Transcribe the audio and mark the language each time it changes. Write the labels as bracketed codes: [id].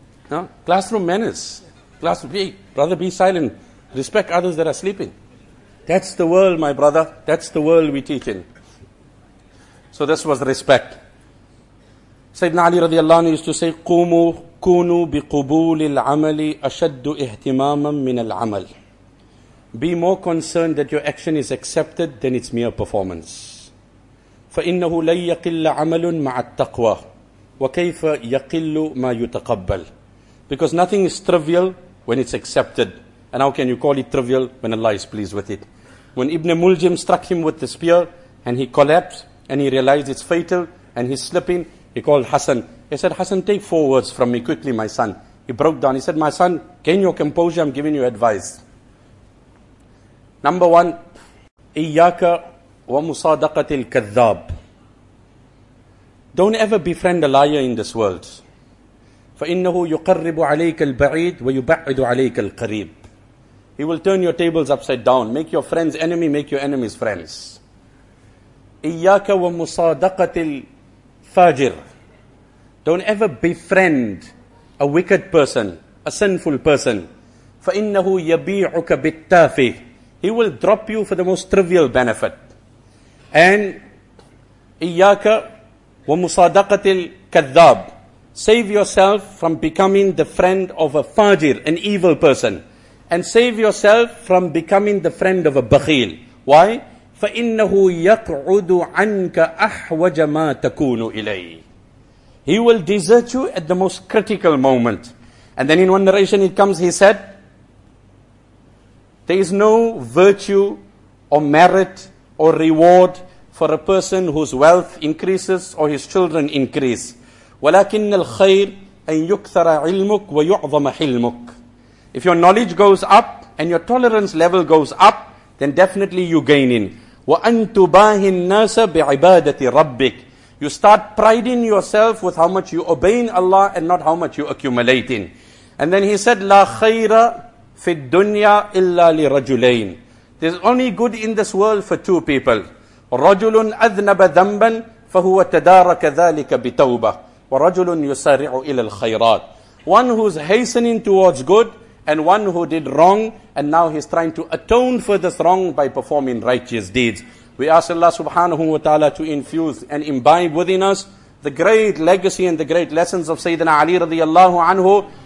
[en] No? Classroom manners. Classroom, hey, brother, be silent. Respect others that are sleeping. That's the world, my brother. That's the world we teach in. So this was respect. Sayyidina Ali radiallahu anhu used to say, [ar] قُومُوا كُونُوا بِقُبُولِ الْعَمَلِ أَشَدُّ اِهْتِمَامًا مِنَ الْعَمَلِ. [en] Be more concerned that your action is accepted than its mere performance. [ar] فَإِنَّهُ لَنْ يَقِلَّ عَمَلٌ مَعَ التَّقْوَى وَكَيْفَ يَقِلُّ مَا يُتَقَبَّلُ. [en] Because nothing is trivial when it's accepted. And how can you call it trivial when Allah is pleased with it? When Ibn Muljim struck him with the spear and he collapsed and he realized it's fatal and he's slipping, he called Hassan. He said, Hassan, take 4 words from me quickly, my son. He broke down. He said, my son, gain your composure. I'm giving you advice. Number one, [ar] إِيَّاكَ وَمُصَادَقَةِ الْكَذَّابِ. [en] Don't ever befriend a liar in this world. [ar] فَإِنَّهُ يُقَرِّبُ عَلَيْكَ الْبَعِيدُ وَيُبَعِّدُ عَلَيْكَ الْقَرِيبُ. [en] He will turn your tables upside down. Make your friends enemy, make your enemies friends. [ar] إِيَّاكَ وَمُصَادَقَةِ الْفَاجِرِ. [en] Don't ever befriend a wicked person, a sinful person. [ar] فَإِنَّهُ يَبِيعُكَ بِالتَّافِي. [en] He will drop you for the most trivial benefit. And [ar] إِيَّاكَ وَمُصَادَقَةِ الْكَذَّابِ. [en] Save yourself from becoming the friend of a fajir, an evil person. And save yourself from becoming the friend of a bakhil. Why? [ar] فَإِنَّهُ يَقْعُدُ عَنْكَ أَحْوَجَ مَا تَكُونُ إِلَيْهِ. [en] He will desert you at the most critical moment. And then in one narration it comes, he said, there is no virtue or merit or reward for a person whose wealth increases or his children increase. [ar] وَلَكِنَّ الْخَيْرِ أَن يُكْثَرَ عِلْمُكْ وَيُعْظَمَ حِلْمُكْ. [en] If your knowledge goes up and your tolerance level goes up, then definitely you gain in. [ar] وَأَن تُبَاهِ النَّاسَ بِعِبَادَةِ رَبِّكْ. [en] You start priding yourself with how much you obey in Allah and not how much you accumulate in. And then he said, [ar] لا خير في الدنيا إلا لرجلين. [en] There's only good in this world for two people. [ar] رجل أذنب ذنبا فهو تدارك ذلك بتوبة ورجل يسارع إلى الخيرات. [en] One who's hastening towards good and one who did wrong, and now he's trying to atone for this wrong by performing righteous deeds. We ask Allah subhanahu wa ta'ala to infuse and imbibe within us the great legacy and the great lessons of Sayyidina Ali radiallahu anhu.